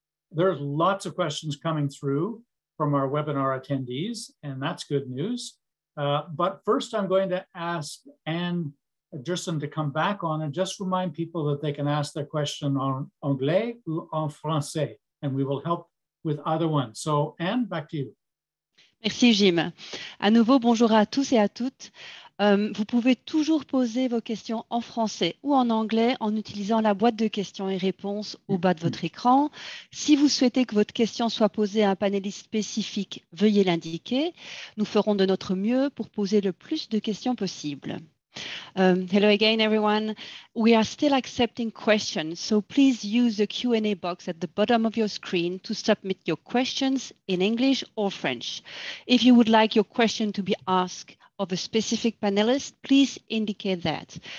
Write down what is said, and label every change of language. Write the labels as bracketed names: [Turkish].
[English] There's lots of questions coming through from our webinar attendees, and that's good news. But first, I'm going to ask Anne Gerson to come back on and just remind people that they can ask their question [French] en anglais ou en français, [English] and we will help with either one. So Anne, back to you. [French] Merci, Jim. À nouveau, bonjour à tous et à toutes. Vous pouvez toujours poser vos questions en français ou en anglais en utilisant la boîte de questions et réponses au bas de votre écran. Si vous souhaitez que votre question soit posée à un panéliste spécifique, veuillez l'indiquer. Nous ferons de notre mieux pour poser le plus de questions possible. [English] Hello again, everyone. We are still accepting questions, so please use the Q&A box at the bottom of your screen to submit your questions in English or French. If you would like your question to be asked of a specific panelist, please indicate that.